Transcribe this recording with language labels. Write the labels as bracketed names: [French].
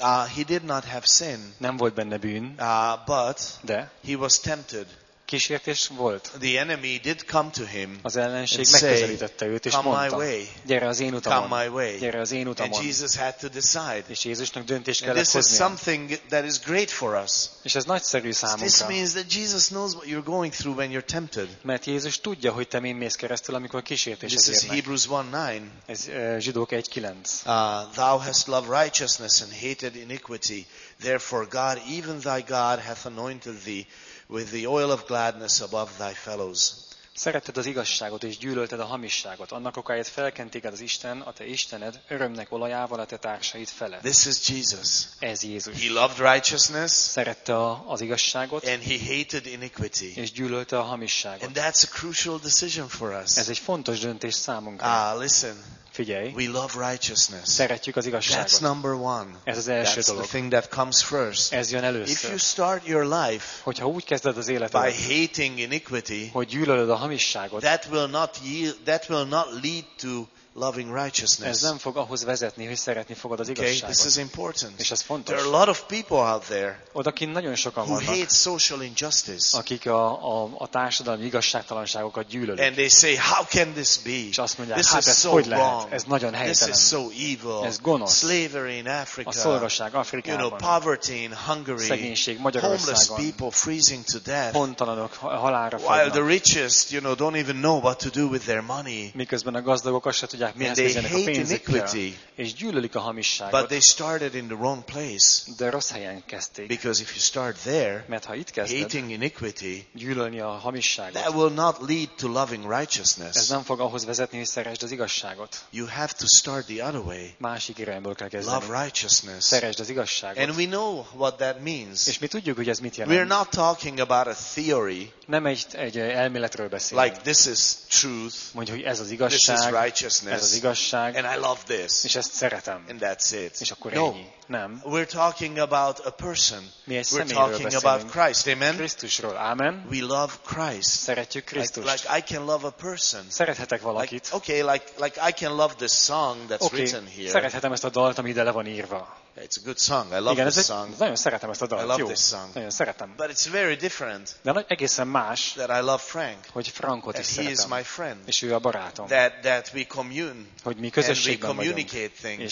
[English] He did not have sin. [Hungarian] Nem volt benne bűn. [English] But [Hungarian] de [English] he was tempted. [Hungarian] Kísértés volt. [English] The enemy did come to him. [Hungarian] Az ellenség megközelítette őt és mondta: gyere az én utamon. [English] Come my way. [Hungarian] Gyere az én utamon. [English] And Jesus had to decide. [Hungarian] És Jézusnak döntés kellett hoznia. [English] This is something that is great for us. [Hungarian] És ez nagyszerű számunkra. [English] This means that Jesus knows what you're going through when you're tempted. [Hungarian] Mert Jézus tudja, hogy te mi mész keresztül, amikor kísértés érnek. [English] This is Hebrews 1:9. [Hungarian] Ez Zsidók 1:9. [English] Thou hast loved righteousness and hated iniquity. Therefore God, even thy God, hath anointed thee with the oil of gladness above thy fellows. [Hungarian] Szeretted az igazságot és gyűlölted a hamisságot. Annak okáért felkent téged az Isten, a te Istened, örömnek olajával a te társaid felett. [English] This is Jesus. [Hungarian] Ez Jézus. [English] He loved righteousness. [Hungarian] Szerette az igazságot. [English] And he hated iniquity. [Hungarian] És gyűlölte a hamisságot. [English] And that's a crucial decision for us. [Hungarian] Ez egy fontos döntés számunkra. [English] Listen. [Hungarian] Figyelj. [English] We love righteousness. [Hungarian] Szeretjük az igazságot. [English] That's number one. [Hungarian] Ez az első [English] That's [Hungarian] dolog. [English] The thing that comes first. [Hungarian] Ez jön először. [English] If you start your life, [Hungarian] hogyha úgy kezded az életed, [English] by hating iniquity, [Hungarian] hogy gyűlölöd a hamisságot, [English] that will not lead to loving righteousness. [Hungarian] Ez nem fog ahhoz vezetni, hogy szeretni fogod az igazságot. [English] Okay, this is important. [Hungarian] És ez fontos. [English] There are a lot of people out there, [Hungarian] odakin nagyon sokan [English] who [Hungarian] vannak, [English] hate social injustice. [Hungarian] Akik a társadalmi igazságtalanságokat gyűlölik. [English] And they say, how can this be? [Hungarian] És azt mondják, [English] this [Hungarian] hát ez [English] so [Hungarian] hogy [English] wrong. [Hungarian] Lehet? Ez nagyon helytelen. [English] This is so evil. [Hungarian] Ez gonosz. [English] Slavery in Africa. [Hungarian] A szolgaság Afrikában. [English] You know, poverty in Hungary. [Hungarian] Szegénység Magyarországon. [English] Homeless people freezing to death. [Hungarian] Hontalanok halálra fognak. [English] While the richest, you know, don't even know what to do with their money. [Hungarian] Miközben a gazdagok azt [English] and they hate iniquity, [Hungarian] és gyűlölik a hamisságot, [English] but they started in the wrong place. [Hungarian] De rossz helyen kezdték. [English] Because if you start there, [Hungarian] mert ha itt kezded, [English] hating iniquity, [Hungarian] gyűlölni a hamisságot, [English] that will not lead to loving righteousness. [Hungarian] Ez nem fog ahhoz vezetni, hogy szeresd az igazságot. [English] You have to start the other way. [Hungarian] Másik irányból kell kezdeni. [English] Love righteousness. [Hungarian] Szeresd az igazságot. [English] And we know what that means. [Hungarian] És mi tudjuk, hogy ez mit jelent. [English] We are not talking about a theory. [Hungarian] Nem egy elméletről beszélünk. [English] Like this is truth. [Hungarian] Mondjuk, hogy ez az igazság. [English] This is righteousness. [Hungarian] Ez az igazság, [English] and I love this. [Hungarian] És ezt szeretem. [English] And that's it. [Hungarian] És akkor [English] no, [Hungarian] ennyi. Nem. [English] We're talking about a person. [Hungarian] Mi egy [English] We're talking about Christ. Amen. [Hungarian] Krisztusról. Amen. [English] We love Christ. [Hungarian] Szeretjük Krisztust. [English] Like I can love a person. [Hungarian] Szerethetek valakit. [English] Like I can love this song that's written here. [Hungarian] Szerethetem ezt a dalt, ami ide le van írva. [English] It's a good song. I love [Hungarian] Igen, [English] this song. [Hungarian] Nagyon szeretem ezt a dalt. [English] I love this song. [Hungarian] Nagyon szeretem. [English] But it's very different. [Hungarian] De egészen más. [English] That I love Frank. [Hungarian] Hogy Frankot is szeretem. [English] He is my friend. [Hungarian] És ő a barátom. [English] That we commune. [Hungarian] Hogy mi közösségben vagyunk. [English] And we communicate things.